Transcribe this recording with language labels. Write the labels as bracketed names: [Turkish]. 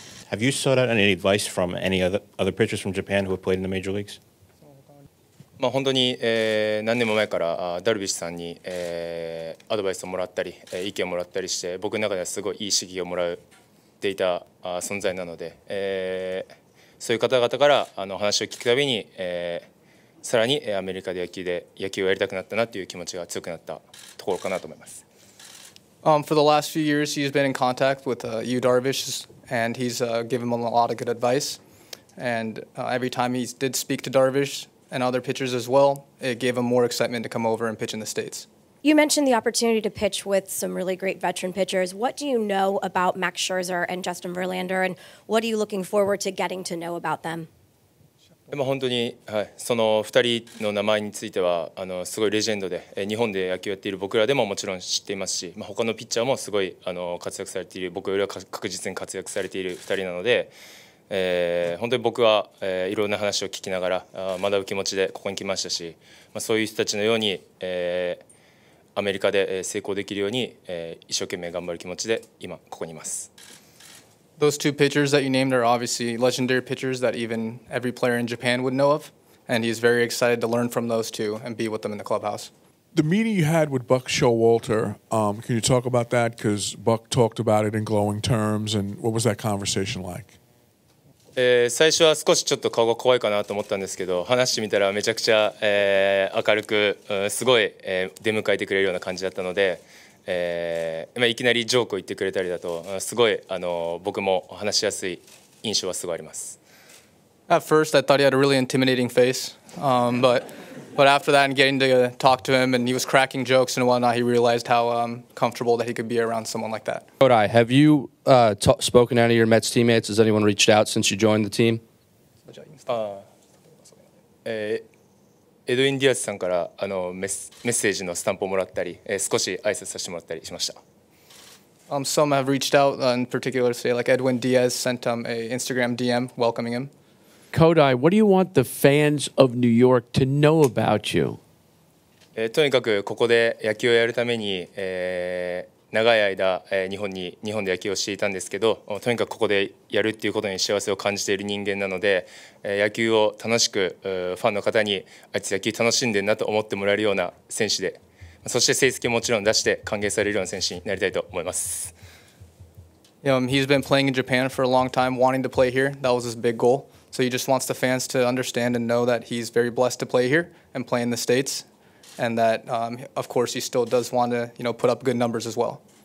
[English] Have you sought out any advice from any other pitchers from Japan who have played in the major leagues? [Japanese] 本当に何年も前からダルビッシュさんにアドバイスをもらったり意見をもらったりして僕の中ではすごいいい刺激をもらっていた存在なのでそういう方々から話を聞くたびにさらにアメリカで野球をやりたくなったなという気持ちが強くなったところかなと思います。 [English] For the last few years, he's been in contact with Yu Darvish and he's given him a lot of good advice. And every time he did speak to Darvish,and other pitchers as well, it gave him more excitement to come over and pitch in the States. You mentioned the opportunity to pitch with some really great veteran pitchers. What do you know about Max Scherzer and Justin Verlander, and what are you looking forward to getting to know about them? [Japanese] まあ本当に、はい、その2人の名前についてはすごいレジェンドで、日本で野球やっている僕らでももちろん知っていますし、まあ他のピッチャーもすごい活躍されている、僕よりは確実に活躍されている2人なので、本当に僕は、いろんな話を聞きながら学ぶ気持ちでここに来ましたし、まあ、そういう人たちのように、アメリカで成功できるように、一生懸命頑張る気持ちで今ここにいます。 [English] Those two pitchers that you named are obviously legendary pitchers that even every player in Japan would know of, and he's very excited to learn from those two and be with them in the clubhouse. The meeting you had with Buck Showalter, can you talk about that? Because Buck talked about it in glowing terms, and what was that conversation like? [Japanese] 最初は少しちょっと顔が怖いかなと思ったんですけど話してみたらめちゃくちゃ、明るく、すごい、出迎えてくれるような感じだったので、いきなりジョークを言ってくれたりだとすごい僕も話しやすい印象はすごいあります。 [English] At first, I thought he had a really intimidating face, but after that and getting to talk to him and he was cracking jokes and whatnot, he realized how comfortable that he could be around someone like that. Kodai, have you spoken to any of your Mets teammates? Has anyone reached out since you joined the team? [Japanese] Edwin Diaz さんからメッセージのスタンプをもらったり、少し挨拶させてもらったりしました。 [English] Some have reached out in particular, say like Edwin Diaz sent him an Instagram DM welcoming him. Kodai, what do you want the fans of New York to know about you? [Japanese] とにかくここで野球をやるために、長い間、日本で野球をしていたんですけど、とにかくここでやるっていうことに幸せを感じている人間なので、野球を楽しく、ファンの方にあいつ野球楽しんでんなと思ってもらえるような選手で、そして成績をもちろん出して歓迎されるような選手になりたいと思います。 [English] He's been playing in Japan for a long time, wanting to play here. That was his big goal. So he just wants the fans to understand and know that he's very blessed to play here and play in the States, and that, of course, he still does want to, put up good numbers as well.